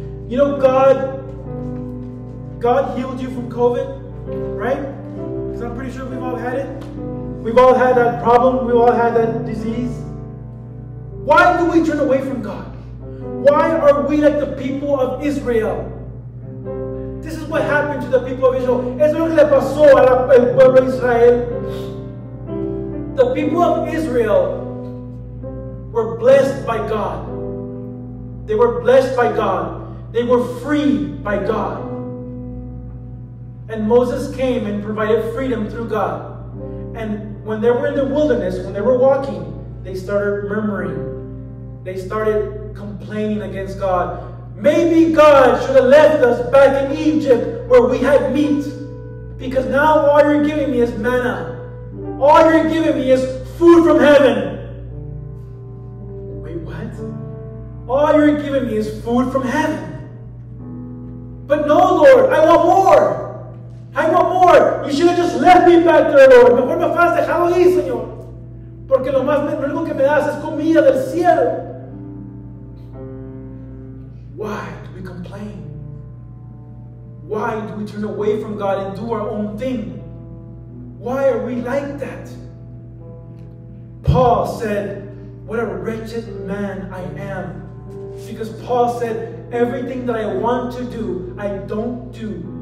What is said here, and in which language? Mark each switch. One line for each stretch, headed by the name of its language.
English: You know, God healed you from COVID, right? Because I'm pretty sure we've all had it. We've all had that problem. We've all had that disease. Why do we turn away from God? Why are we like the people of Israel? This is what happened to the people of Israel.
Spanish: Es lo que le pasó al pueblo de Israel.
English: The people of Israel were blessed by God. They were blessed by God. They were free by God. And Moses came and provided freedom through God. And when they were in the wilderness, when they were walking, they started murmuring. They started complaining against God. Maybe God should have left us back in Egypt where we had meat. Because now all you're giving me is manna. All you're giving me is food from heaven. Wait, what? All you're giving me is food from heaven. But no, Lord, I want more. I want more. You should have just left me back there, Lord.
Spanish: Mejor me has dejado ahí, Señor. Porque lo más único que me das es comida del cielo.
English: Why do we complain? Why do we turn away from God and do our own thing? Why are we like that? Paul said, what a wretched man I am. Because Paul said, everything that I want to do, I don't do.